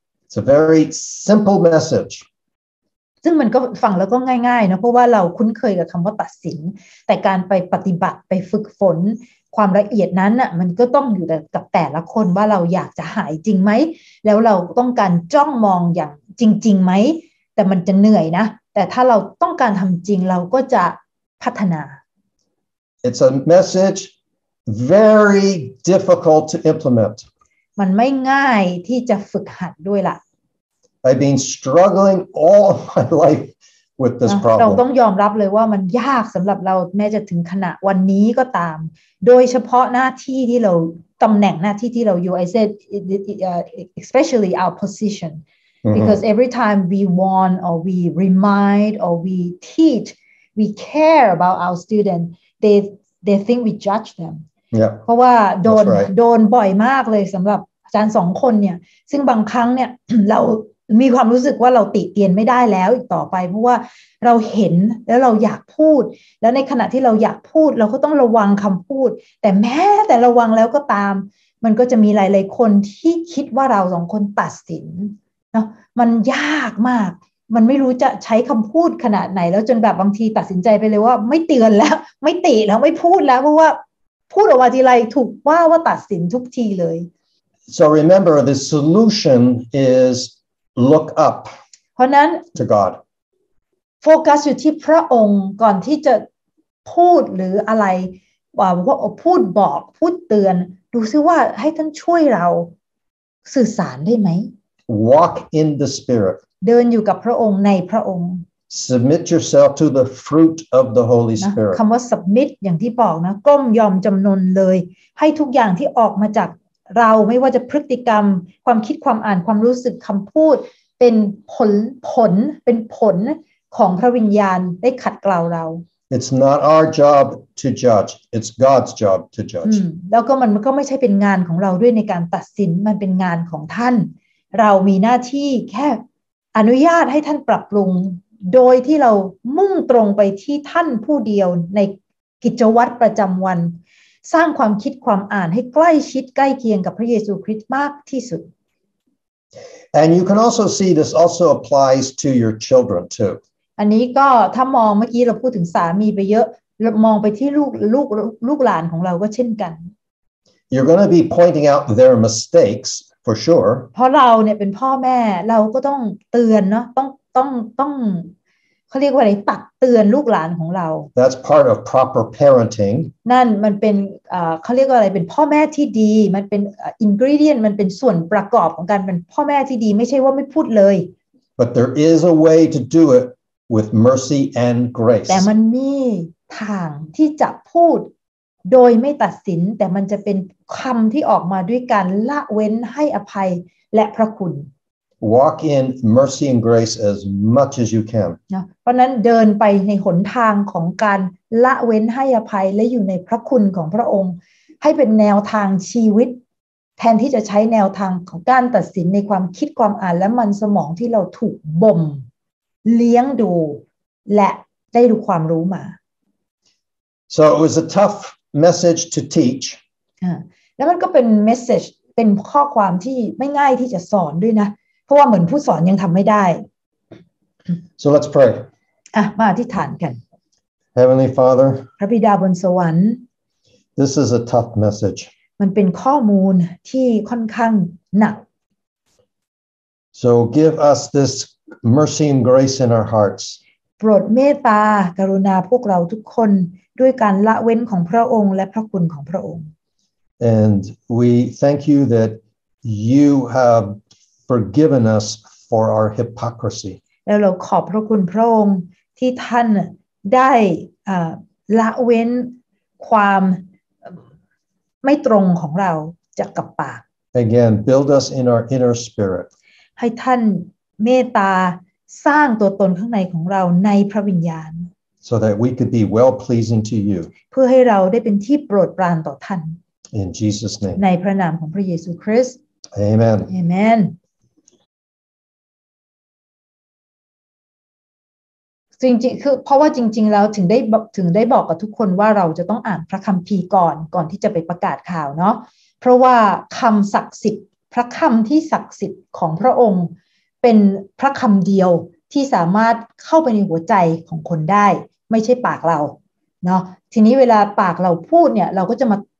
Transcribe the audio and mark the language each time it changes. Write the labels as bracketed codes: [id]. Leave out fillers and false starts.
[en] It's a very simple message [th] ซึ่งมันก็ฟังแล้วก็ง่ายๆเนาะเพราะว่าเราคุ้นเคยกับคำว่าตัดสินแต่การไปปฏิบัติไปฝึกฝนความละเอียดนั้นน่ะมันก็ต้องอยู่กับแต่ละคนว่าเราอยากจะหายจริงไหมแล้วเราต้องการจ้องมองอย่างจริงๆไหมแต่มันจะเหนื่อยนะแต่ถ้าเราต้องการทำจริงเราก็จะพัฒนา [en] It's a messageVery difficult to implement. [th] มันไม่ง่ายที่จะฝึกหัดด้วยล่ะ [en] I've been struggling all my life with this problem. [th] เราต้องยอมรับเลยว่ามันยากสำหรับเราแม้จะถึงขณะวันนี้ก็ตามโดยเฉพาะหน้าที่ที่เราตำแหน่งหน้าที่ที่เราอยู่ [en] I said especially our position because every time we warn or we remind or we teach we care about our student they think we judge them yeah [th] เพราะว่าโดนบ่อยมากเลยสำหรับอาจารย์2คนเนี่ยซึ่งบางครั้งเนี่ย เรามีความรู้สึกว่าเราติเตียนไม่ได้แล้วอีกต่อไปเพราะว่าเราเห็นแล้วเราอยากพูดแล้วในขณะที่เราอยากพูดเราก็ต้องระวังคำพูดแต่แม้แต่ระวังแล้วก็ตามมันก็จะมีหลายๆคนที่คิดว่าเรา2คนตัดสินเนาะมันยากมากมันไม่รู้จะใช้คำพูดขนาดไหนแล้วจนแบบบางทีตัดสินใจไปเลยว่าไม่เตือนแล้วไม่ติแล้วไม่พูดแล้วเพราะว่า พูดออกมาทีไรถูกว่าว่าตัดสินทุกทีเลย [en] So remember the solution is look up [th] เพราะนั้น [en] to God [th] โฟกัสอยู่ที่พระองค์ก่อนที่จะพูดหรืออะไรว่าพูดบอกพูดเตือนดูซิว่าให้ท่านช่วยเราสื่อสารได้ไหม [en] Walk in the Spirit [th] เดินอยู่กับพระองค์ในพระองค์ [en] Submit yourself to the fruit of the Holy Spirit. [th] คำว่า submit อย่างที่บอกนะก้มยอมจำนนเลยให้ทุกอย่างที่ออกมาจากเราไม่ว่าจะพฤติกรรมความคิดความอ่านความรู้สึกคำพูดเป็นผลเป็นผลของพระวิญญาณได้ขัดเกลาเรา [en] It's not our job to judge. It's God's job to judge. [th] แล้วก็มันก็ไม่ใช่เป็นงานของเราด้วยในการตัดสินมันเป็นงานของท่านเรามีหน้าที่แค่อนุญาตให้ท่านปรับปรุงโดยที่เรามุ่งตรงไปที่ท่านผู้เดียวในกิจวัตรประจำวันสร้างความคิดความอ่านให้ใกล้ชิดใกล้เคียงกับพระเยซูคริสต์มากที่สุด [en] And you can also see this also applies to your children too [th] อันนี้ก็ถ้ามองเมื่อกี้เราพูดถึงสามีไปเยอะมองไปที่ลูกหลานของเราก็เช่นกัน [en] You're going to be pointing out their mistakes for sure [th] เพราะเราเนี่ยเป็นพ่อแม่เราก็ต้องเตือนเนาะต้องเขาเรียกว่าอะไรตักเตือนลูกหลานของเรา [en] That's part of proper parenting [th] นั่นมันเป็นเขาเรียกว่าอะไรเป็นพ่อแม่ที่ดีมันเป็น ingredient มันเป็นส่วนประกอบของการเป็นพ่อแม่ที่ดีไม่ใช่ว่าไม่พูดเลย [en] But there is a way to do it with mercy and grace [th] แต่มันมีทางที่จะพูดโดยไม่ตัดสินแต่มันจะเป็นคำที่ออกมาด้วยการละเว้นให้อภัยและพระคุณ [en] Walk in mercy and grace as much as you can. [th] เพราะนั้นเดินไปในหนทางของการละเว้นให้อภัยและอยู่ในพระคุณของพระองค์ให้เป็นแนวทางชีวิตแทนที่จะใช้แนวทางของการตัดสินในความคิดความอ่านและมันสมองที่เราถูกบ่มเลี้ยงดูและได้ดูความรู้มา [en] So it was a tough message to teach. [th] แล้วมันก็เป็น message เป็นข้อความที่ไม่ง่ายที่จะสอนด้วยนะเพราะว่าเหมือนผู้สอนยังทำไม่ได้ [en] So let's pray [th] มาอธิษฐานกัน [en] Heavenly Father [th] พระบิดาบนสวรรค์ [en] This is a tough message [th] มันเป็นข้อมูลที่ค่อนข้างหนัก [en] So give us this mercy and grace in our hearts [th] โปรดเมตตากรุณาพวกเราทุกคนด้วยการละเว้นของพระองค์และพระคุณของพระองค์ [en] And we thank you that you haveForgiven us for our hypocrisy. [th] แล้วเราขอบพระคุณพระองค์ที่ท่านได้ละเว้นความไม่ตรงของเราจากกับปาก [en] Again, build us in our inner spirit. [th] ให้ท่านเมตตาสร้างตัวตนข้างในของเราในพระวิญญาณ [en] So that we could be well pleasing to you. [th] เพื่อให้เราได้เป็นที่โปรดปรานต่อท่าน [en] In Jesus' name. [th] ในพระนามของพระเยซูคริสต์ [en] Amen. Amen. [th] จริงๆคือเพราะว่าจริงๆแล้วถึงได้บอกกับทุกคนว่าเราจะต้องอ่านพระคัมภีร์ก่อนที่จะไปประกาศข่าวเนาะเพราะว่าคำศักดิ์สิทธิ์พระคำที่ศักดิ์สิทธิ์ของพระองค์เป็นพระคำเดียวที่สามารถเข้าไปในหัวใจของคนได้ไม่ใช่ปากเราเนาะทีนี้เวลาปากเราพูดเนี่ยเราก็จะมา